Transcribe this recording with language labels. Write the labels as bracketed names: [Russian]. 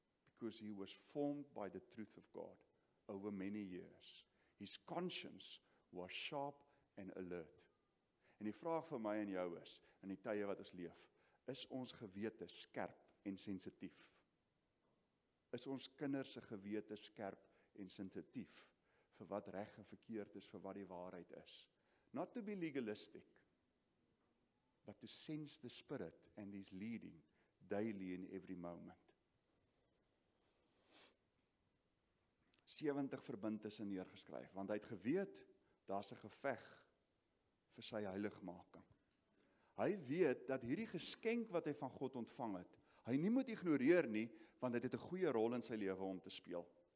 [English] Because he was formed by the truth of God over many years. His conscience was sharp and alert. [Afrikaans] En die vraag vir my en jou is, in die tye wat ons leef, is ons gewete skerp en sensitief? Is ons kinderse gewete skerp en sensitief vir wat reg en verkeerd is, vir wat die waarheid is? [English] Not to be legalistic, but to sense the spirit and his leading daily in every moment. [Afrikaans] 70 verbintenisse neergeskryf, want hy het geweet, daar is 'n geveg vir sy heiligmaking. Hy weet dat hierdie geskenk wat hy van God ontvang het, hy nie moet ignoreer nie, want dit het 'n goeie rol in sy lewe om te speel.